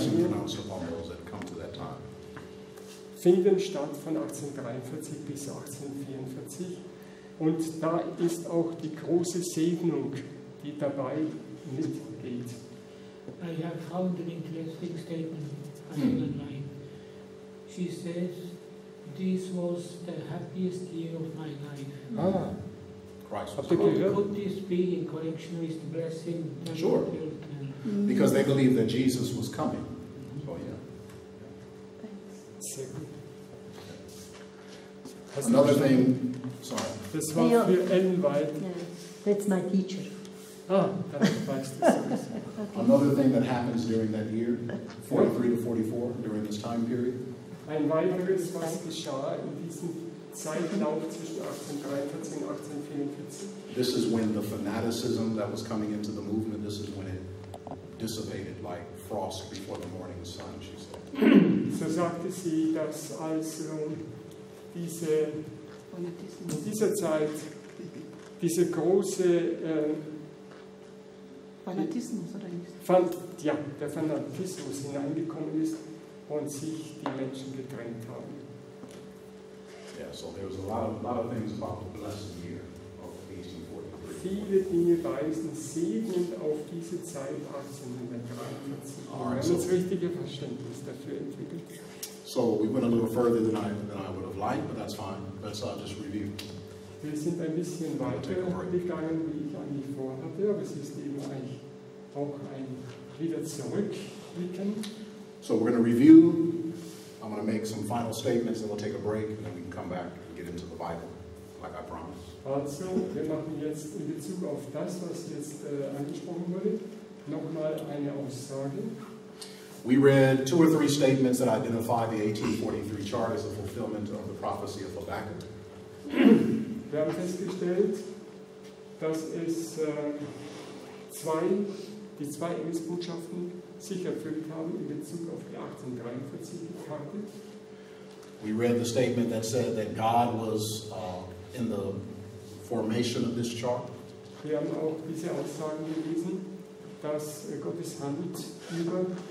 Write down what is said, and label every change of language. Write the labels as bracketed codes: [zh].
[en] There's a blessing pronounced upon those that come to that time. [de] Finden statt von 1843 bis 1844. Und da ist auch die große Segnung, die dabei mitgeht. [en] I have found an interesting statement another night. She says, this was the happiest year of my life. Ah. Could this be in connection with the blessing? Sure. Because they believe that Jesus was coming. Mm-hmm. Oh, yeah. Thanks. Another thing, sorry. [de] Das war für Ellen White. [en] That's my teacher. Ah, that's okay. Another thing that happens during that year, 43 to 44, during this time period. [de] Ein weiteres, was geschah in diesem Zeitlauf zwischen 1843 und 1844. [en] This is when the fanaticism that was coming into the movement, this is when it dissipated like frost before the morning sun, she said. [de] So sagte sie, dass also diese, in dieser Zeit diese große Fanatismus, oder nicht? Der Fanatismus hineingekommen ist und sich die Menschen getrennt haben. [en] Yeah, so there was a lot of things about the blessed year of 1843. [de] Viele Dinge weisen segnend auf diese Zeit 1843. [en] Right, [de] das richtige Verständnis dafür entwickelt. [en] So we went a little further than I would have liked, but that's fine. Let's just review. [de] Wir sind ein bisschen weiter gegangen, wie ich eigentlich vorhatte, aber es ist eben eigentlich auch ein wieder zurückblicken. [en] So we're going to review. I'm going to make some final statements, and we'll take a break, and then we can come back and get into the Bible, like I promised. [de] Also, wir machen jetzt in Bezug auf das, was jetzt angesprochen wurde, nochmal eine Aussage. [en] We read two or three statements that identify the 1843 chart as a fulfillment of the prophecy of Habakkuk. [de] Wir haben festgestellt, dass es die zwei Engelsbotschaften sich erfüllt haben in Bezug auf die 1843 Karte. [en] We read the statement that said that God was in the formation of this chart. [de] Wir haben auch diese Aussagen gelesen, dass Gottes Hand über